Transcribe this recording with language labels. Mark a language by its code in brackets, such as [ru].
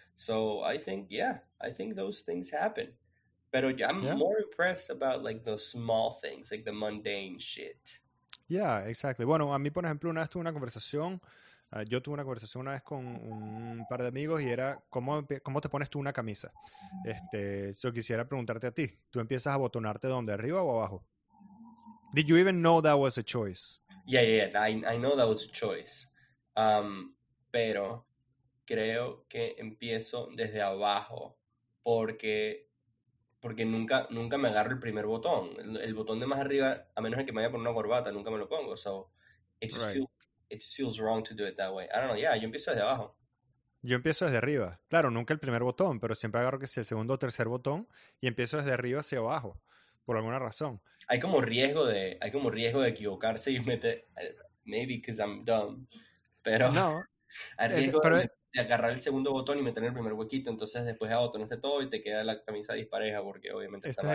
[en] So I think, yeah, I think those things happen. [es] Pero [en] yeah, I'm Yeah. more impressed about like the small things, like the mundane shit. Yeah, exactly. [es] Bueno, a mí, por ejemplo, una vez tuve una conversación. Yo tuve una conversación una vez con un par de amigos y era, ¿cómo te pones tú una camisa? Yo quisiera preguntarte a ti, ¿tú empiezas a botonarte dónde, arriba o abajo? [en] Did you even know that was a choice? I know that was a choice. [es] Pero creo que empiezo desde abajo porque nunca, nunca me agarro el primer botón. El botón de más arriba, a menos que me vaya por una corbata, nunca me lo pongo. [en] So Right. it just feels wrong to do it that way. I don't know, yeah, [es] yo empiezo desde abajo. Yo empiezo desde arriba. Claro, nunca el primer botón, pero siempre agarro que sea el segundo o tercer botón y empiezo desde arriba hacia abajo, por alguna razón. Hay como riesgo de equivocarse y meter, [en] maybe because I'm dumb, [es] pero No, hay riesgo pero de agarrar el segundo botón y meter el primer huequito, entonces después abotonaste todo y te queda la camisa dispareja porque obviamente está